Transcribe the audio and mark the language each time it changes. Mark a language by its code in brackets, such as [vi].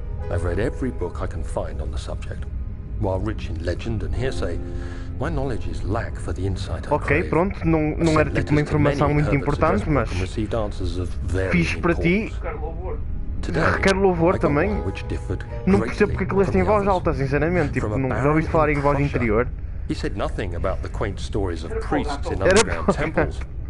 [en] I've read every book I can find on the subject. While rich in legend and hearsay, my knowledge is lack for the insight I crave. [pt] Ok, pronto, não era tipo uma informação muito importante, mas fiz para ti. Requer louvor também. Não percebo porque aquilo tem voz alta, sinceramente. Tipo, não ouviste falar em voz interior. [en] He said nothing about the quaint stories of priests in underground temples.